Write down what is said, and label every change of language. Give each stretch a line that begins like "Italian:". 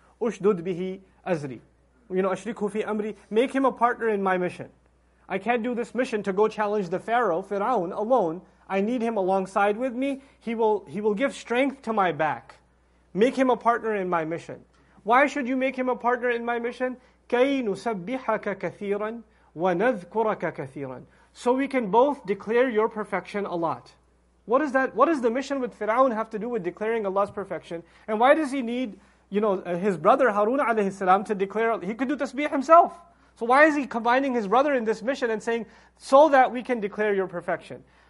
Arabic: Ushdud bihi azri.
English: You know,
Arabic: ashriku fi amri.
English: Make him a partner in my mission. I can't do this mission to go challenge the Pharaoh, Fir'aun, alone. I need him alongside with me. He will give strength to my back. Make him a partner in my mission. Why should you make him a partner in my mission?
Arabic: كَيْ نُسَبِّحَكَ كَثِيرًا وَنَذْكُرَكَ كَثِيرًا.
English: So we can both declare your perfection a lot. What is that? What does the mission with Fir'aun have to do with declaring Allah's perfection? And why does he need, you know, his brother Harun alayhi salam to declare? He could do tasbih himself. So why is he combining his brother in this mission and saying, so that we can declare your perfection?